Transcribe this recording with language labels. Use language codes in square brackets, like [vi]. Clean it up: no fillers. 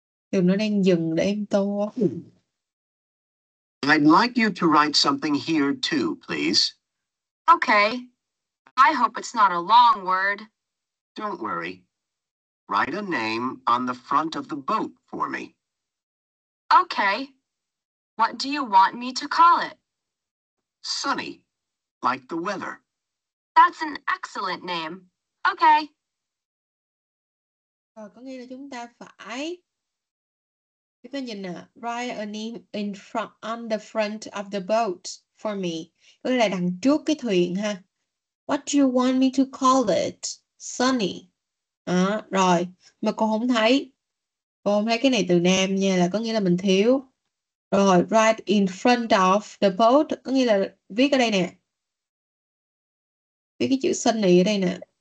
[vi] Đừng, nó đang dừng để em tô. [en] I'd like you to write something here too, please. Okay. I hope it's not a long word. Don't worry. Write a name on the front of the boat for me. Okay. What do you want me to call it? Sunny, like the weather. That's an excellent name. Okay. [vi] Rồi, có nghĩa là chúng ta phải... Chúng ta nhìn nè. [en] Write a name in front, on the front of the boat for me. [vi] Có nghĩa là đằng trước cái thuyền ha. [en] What do you want me to call it? [vi] Sunny. À, rồi, mà cô không thấy. Cô không thấy cái này từ Nam nha, là có nghĩa là mình thiếu. Rồi, [en] right in front of the boat, [vi] có nghĩa là viết ở đây nè. Viết cái chữ xanh này ở đây nè.